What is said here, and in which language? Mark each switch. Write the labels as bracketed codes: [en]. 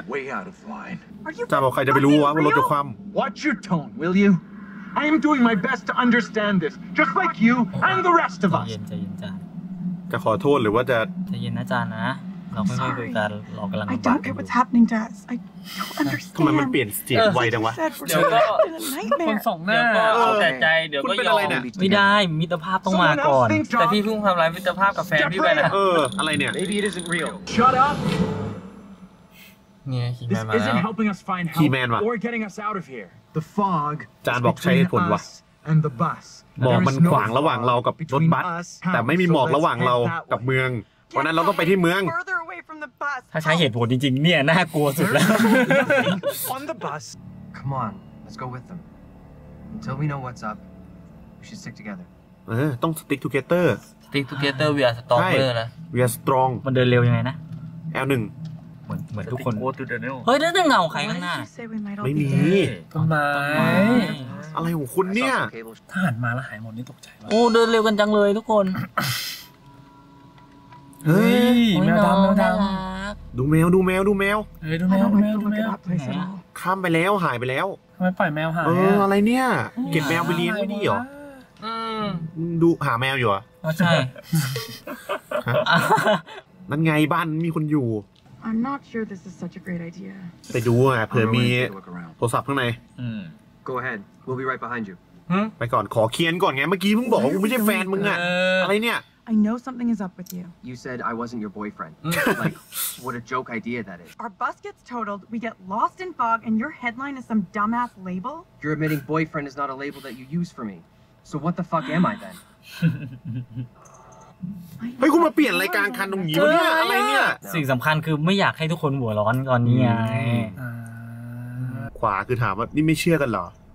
[th] ยจานบอกใครจะไปรู้วะว่ารถจะคว่ำ [en] Watch your tone will you I am doing my best to understand this just like you and the rest of us [th] จะเย็นจาน จะขอโทษหรือว่าจะ จะเย็นนะจานนะเราไม่ได้คุยกันเรากำลัง ไม่ [en] don't care what's happening to us I don't understand [th] ทำไมมันเปลี่ยนสีไวจังวะ เดี๋ยวก็ คนสองหน้า เ ดี๋ยวก็แต่ใจเดี๋ยวก็ยอม ไม่ได้มิตรภาพต้องมาก่อน แต่พี่เพิ่งทำลายมิตรภาพกับแฟนพี่ไปนะ เอออะไรเนี่ย [en] maybe it isn't real shut up [th] เนี่ย ฮีแมนมาแล้ว [en] this isn't helping us find help or getting us out of here the fog [th] จานบอกใช้เหตุผลว่ะหมอกมันขวางระหว่างเรากับรถบัสแต่ไม่มีหมอกระหว่างเรากับเมืองเพราะนั้นเราต้องไปที่เมือง ถ้าใช้เหตุผลจริงๆเนี่ยน่ากลัวสุดแล้ว [en] On the bus Come on let's go with them Until we know what's up, we should stick together. [th] ต้อง [en] stick together. Stick together we are stronger [th] นะ [en] We are strong. [th] มันเดินเร็วยังไงนะ L1 เหมือนทุกคน เ ฮ้ยนั่นเงาใครข้างหน้า ไม่มี ต้นไม้ อะไรของคุณเนี่ย ทหารมาแล้วหายหมดนี่ตกใจ โอ้เดินเร็วกันจังเลยทุกคน เฮ้ย แมวดำแมวดำ ดูแมวดูแมวดูแมว เฮ้ยดูแมวดูแมวดูแมว ข้ามไปแล้วหายไปแล้ว ทำไมปล่อยแมวหาย อะไรเนี่ยเก็บแมวไปเลี้ยงไม่ดีเหร อ ดูหาแมวอยู่อ่ะ ใช่ นั่นไงบ้านมีคนอยู่ [en] I'm not sure this is such a great idea. [th] ไปดูอ่ะเผื่อมีโทรศัพท์ข้างใน [en] Go ahead. We'll be right behind you. [th] ไปก่อนขอเคลียร์ก่อนไงเมื่อกี้เพิ่งบอกว่ากูไม่ใช่แฟนมึงอ่ะอะไรเนี่ย [en] I know something is up with you. You said I wasn't your boyfriend. Like what a joke idea that is. Our bus gets totaled, we get lost in fog and your headline is some dumbass label? You're admitting boyfriend is not a label that you use for me. So what the fuck am I then? [th] เฮ้ยกูมาเปลี่ยนรายการคันตรงนี้วะเนี่ยอะไรเนี่ย สิ่งสำคัญคือไม่อยากให้ทุกคนหัวร้อนตอนนี้ไง ขวาคือถามว่านี่ไม่เชื่อกันเหรอ